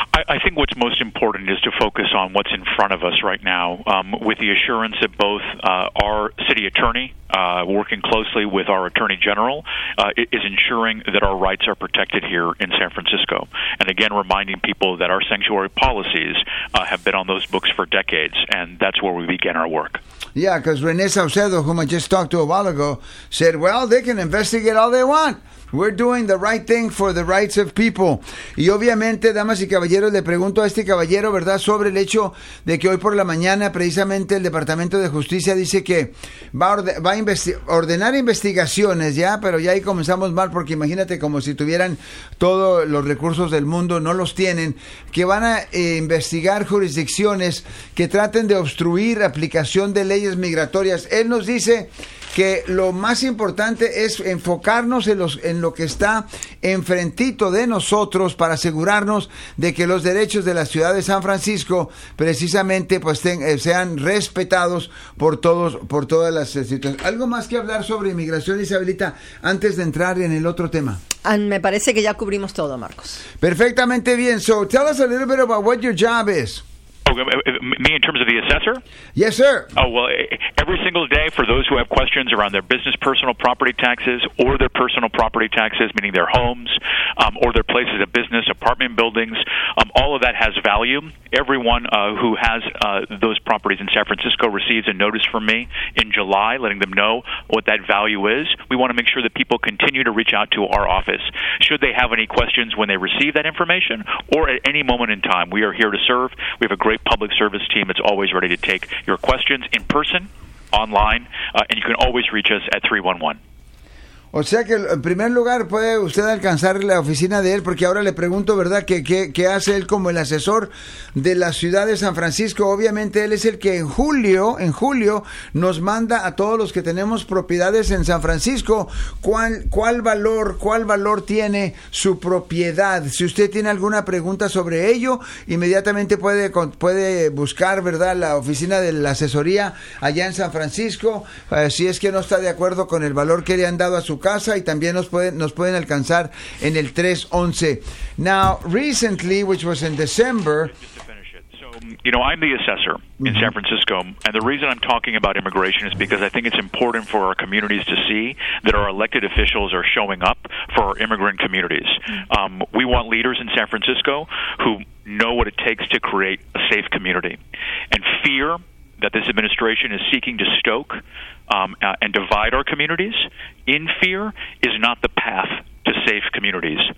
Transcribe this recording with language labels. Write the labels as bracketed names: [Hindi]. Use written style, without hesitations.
[English] I think what's most important is to focus on what's in front of us right now, with the assurance that both our city attorney, working closely with our attorney general, is ensuring that our rights are protected here in San Francisco. And again, reminding people that our sanctuary policies have been on those books for decades, and that's where we begin our work. Yeah, because Renee Saucedo, whom I just talked to a while ago, said, well, they can investigate all they want. We're doing the right thing for the rights of people. [Spanish] Y obviamente, damas y caballeros, le pregunto a este caballero, ¿verdad?, sobre el hecho de que hoy por la mañana, precisamente, el Departamento de Justicia dice que va a ordenar investigaciones, ¿ya? Pero ya ahí comenzamos mal, porque imagínate, como si tuvieran todos los recursos del mundo, no los tienen, que van a investigar jurisdicciones que traten de obstruir aplicación de leyes migratorias. Él nos dice que lo más importante es enfocarnos en lo que está enfrentito de nosotros para asegurarnos de que los derechos de la ciudad de San Francisco precisamente pues sean respetados por todas las situaciones. ¿Algo más que hablar sobre inmigración, Isabelita, antes de entrar en el otro tema? Me parece que ya cubrimos todo, Marcos. Perfectamente bien. [English] So tell us a little bit about what your job is. Me in terms of the assessor? Yes, sir. Oh, well, every single day for those who have questions around their business personal property taxes or their personal property taxes, meaning their homes or their places of business, apartment buildings, all of that has value. Everyone who has those properties in San Francisco receives a notice from me in July letting them know what that value is. We want to make sure that people continue to reach out to our office should they have any questions when they receive that information or at any moment in time. We are here to serve. We have a great public service team that's always ready to take your questions in person, online, and you can always reach us at 311. [Spanish] O sea que en primer lugar puede usted alcanzar la oficina de él, porque ahora le pregunto, ¿verdad? ¿Qué hace él como el asesor de la ciudad de San Francisco? Obviamente él es el que en julio nos manda a todos los que tenemos propiedades en San Francisco cuál valor tiene su propiedad. Si usted tiene alguna pregunta sobre ello, inmediatamente puede buscar, ¿verdad?, la oficina de la asesoría allá en San Francisco, si es que no está de acuerdo con el valor que le han dado a su casa, y también nos pueden alcanzar en el 311. [English] Now, recently, which was in December. You know, I'm the assessor in San Francisco, and the reason I'm talking about immigration is because I think it's important for our communities to see that our elected officials are showing up for our immigrant communities. We want leaders in San Francisco who know what it takes to create a safe community, and fear that this administration is seeking to stoke and divide our communities in fear is not the path to safe communities.